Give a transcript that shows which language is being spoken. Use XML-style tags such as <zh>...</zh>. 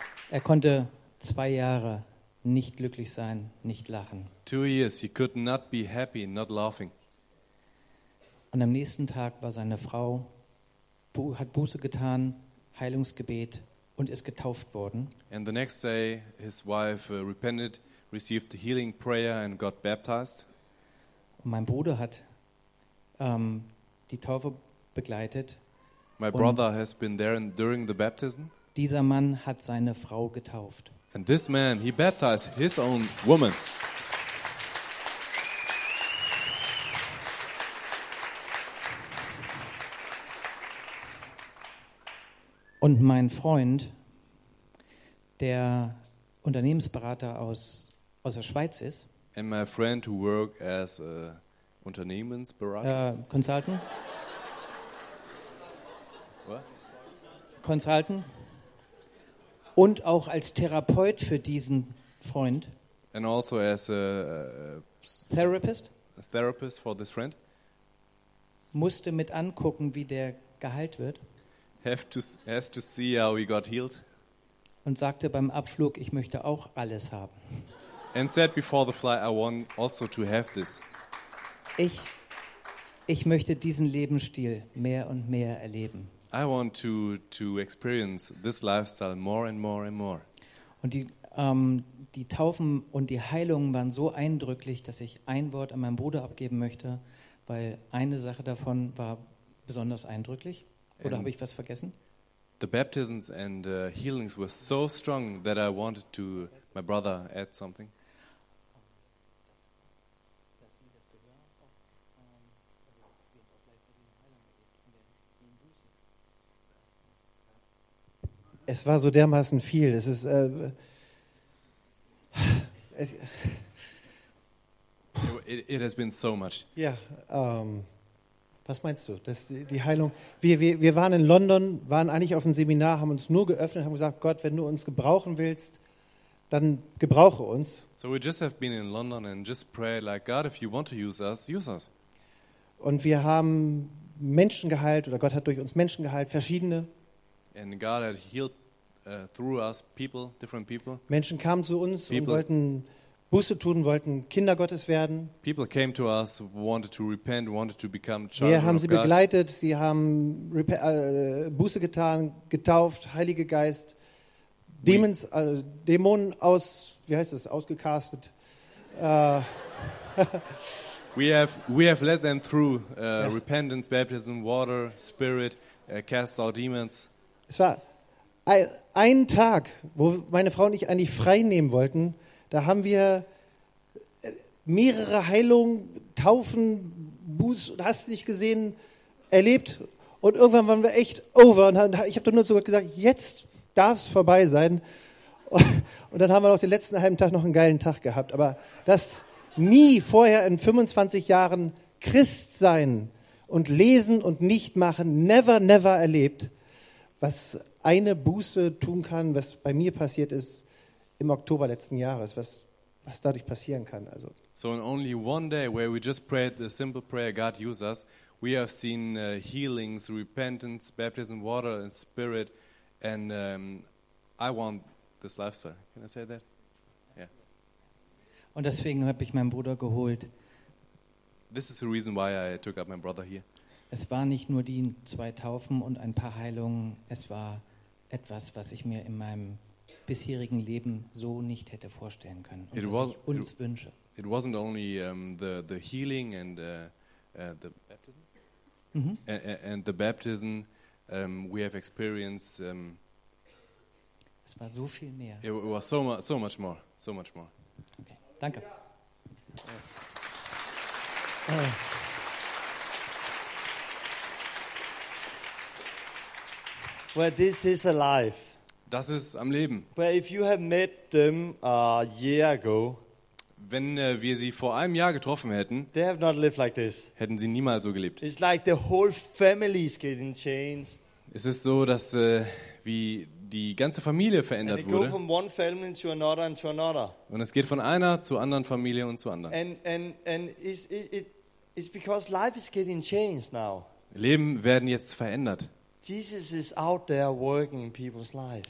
<de>er konnte 2 Jahre nicht glücklich sein, nicht lachen.</de> <en>2 years he could not be happy, not laughing.</en> <de>Und am nächsten Tag war seine Frau, hat Buße getan, Heilungsgebet, und ist getauft worden.</de> <en>And the next day his wife repented, received the healing prayer and got baptized.</en> <de>Und mein Bruder hat die Taufe begleitet.</de> <en>My brother has been there during the baptism.</en> <de>Dieser Mann hat seine Frau getauft.</de> <en>And this man, he baptized his own woman.</en> <de>Und mein Freund, der Unternehmensberater aus der Schweiz ist,</de> <en>and my friend who work as a Unternehmensberater, Consultant. Consultant.</en> <de>Und auch als Therapeut für diesen Freund.</de> <en>And also as a therapist. A therapist for this friend.</en> <de>Musste mit angucken, wie der geheilt wird.</de> <en>Has to see how he got healed.</en> <de>Und sagte beim Abflug, ich möchte auch alles haben.</de> <en>And said before the flight, I want also to have this.</en> <de>Ich möchte diesen Lebensstil mehr und mehr erleben.</de> <en>I want to experience this lifestyle more and more and more.</en> <de>Und die Taufen und die Heilungen waren so eindrücklich, dass ich ein Wort an meinen Bruder abgeben möchte, weil eine Sache davon war besonders eindrücklich. Oder habe ich was vergessen?</de> <en>The baptisms and healings were so strong that I wanted to my brother add something.</en> <de>Es war so dermaßen viel. Es ist.</de> <en>It has been so much.</en> <de>Ja. Was meinst du? Das, die Heilung. Wir waren in London, waren eigentlich auf einem Seminar, haben uns nur geöffnet, haben gesagt: Gott, wenn du uns gebrauchen willst, dann gebrauche uns.</de> <en>So we just have been in London and just pray like God, if you want to use us, use us.</en> <de>Und wir haben Menschen geheilt oder Gott hat durch uns Menschen geheilt, verschiedene.</de> <en>And God had healed through us people, different people.</en> <de>Menschen kamen zu uns people, und wollten Buße tun, wollten Kinder Gottes werden.</de> <en>People came to us, wanted to repent, wanted to become children of God.</en> <de>Wir haben sie begleitet, sie haben Buße getan, getauft, Heilige Geist, Demons, Dämonen aus, wie heißt das, ausgecastet.</de> <en>we have led them through repentance, baptism, water, spirit, cast out demons.</en> <de>Es war ein Tag, wo meine Frau und ich eigentlich frei nehmen wollten, da haben wir mehrere Heilungen, Taufen, Buß, hast du nicht gesehen, erlebt und irgendwann waren wir echt over und ich habe dann nur zu Gott gesagt, jetzt darf es vorbei sein und dann haben wir noch den letzten halben Tag noch einen geilen Tag gehabt, aber das nie vorher in 25 Jahren Christ sein und lesen und nicht machen,</de> <en>never, never</en> <de>erlebt. Was eine Buße tun kann, was bei mir passiert ist im Oktober letzten Jahres, was dadurch passieren kann. Also.</de> <en>So in only one day where we just prayed the simple prayer, God use us, we have seen healings, repentance, baptism, water and spirit and I want this lifestyle. Can I say that? Yeah.</en> <de>Und deswegen habe ich meinen Bruder geholt.</de> <en>This is the reason why I took up my brother here.</en> <de>Es war nicht nur die zwei Taufen und ein paar Heilungen, es war etwas, was ich mir in meinem bisherigen Leben so nicht hätte vorstellen können und was ich uns wünsche.</de> <en>It wasn't only the healing and the baptism. Mm-hmm. And the baptism we have experienced.</en> <de>Es war so viel mehr.</de> <en>It was so much more.</en> <de>Okay. Danke. Ja.</de> <en>Where this is alive.</en> <de>Das ist am Leben.</de> <en>Where if you have met them a year ago,</en> <de>wenn wir sie vor einem Jahr getroffen hätten,</de> <en>they have not lived like this.</en> <de>Hätten sie niemals so gelebt.</de> <en>It's like the whole family is getting changed.</en> <de>Es ist so, dass wie die ganze Familie verändert</de> <en>and</en> <de>wurde.</de> <en>And go from one family to another and to another.</en> <de>Und es geht von einer zur anderen Familie und zu anderen.</de> <en>And it's because life is getting changed now.</en> <de>Leben werden jetzt verändert.</de> <en>Jesus is out there working in people's lives.</en>